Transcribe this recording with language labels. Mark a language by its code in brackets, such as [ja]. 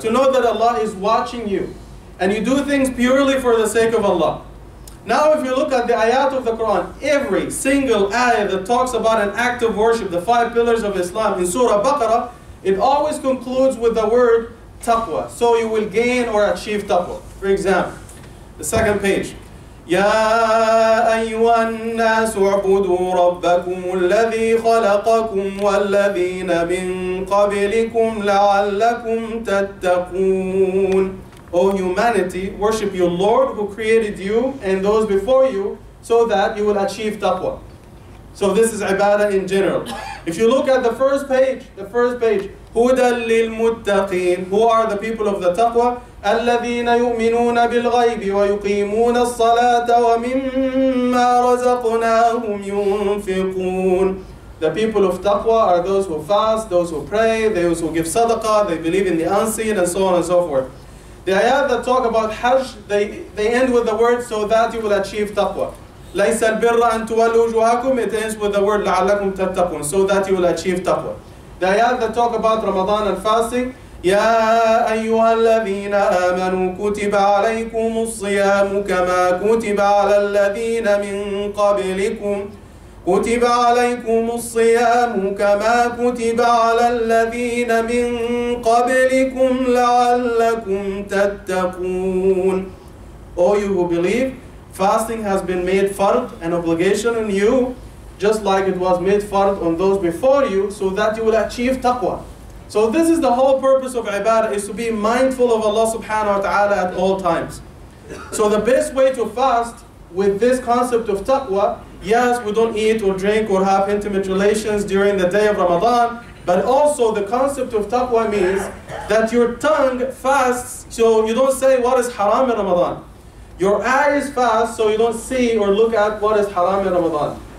[en] To know that Allah is watching you. And you do things purely for the sake of Allah. Now if you look at the ayat of the Quran, every single ayah that talks about an act of worship, the five pillars of Islam in Surah Baqarah, it always concludes with the word taqwa. So you will gain or achieve taqwa. For example, the second page. [ar] يا أيها الناس اعبدوا ربكم الذي خلقكم والذين من قبلكم لعلكم تتقون. [en] O humanity, worship your Lord who created you and those before you so that you will achieve taqwa. So this is ibadah in general. If you look at the first page, [ar] هدى للمتقين. [en] Who are the people of the taqwa? [ar] الذين يؤمنون بالغيب ويقيمون الصلاة ومما رزقناهم ينفقون. [en] The people of taqwa are those who fast, those who pray, those who give sadaqah, they believe in the unseen, and so on and so forth. The ayat that talk about hajj, they end with the word so that you will achieve taqwa. [ar] ليس البر أن تولوا وجوهكم, [en] it ends with the word [ar] لعلكم تتقون, [en] so that you will achieve taqwa. The ayat that talk about Ramadan and fasting, [ar] يا أيها الذين آمنوا كتب عليكم الصيام كما كتب على الذين من قبلكم كتب عليكم الصيام كما كتب على الذين من قبلكم لعلكم تتقون. [en] O you who believe, fasting has been made fard, an obligation on you, just like it was made fard on those before you, so that you will achieve taqwa. So this is the whole purpose of ibadah, is to be mindful of Allah subhanahu wa ta'ala at all times. So the best way to fast with this concept of taqwa, yes, we don't eat or drink or have intimate relations during the day of Ramadan, but also the concept of taqwa means that your tongue fasts so you don't say what is haram in Ramadan. Your eyes fast so you don't see or look at what is haram in Ramadan.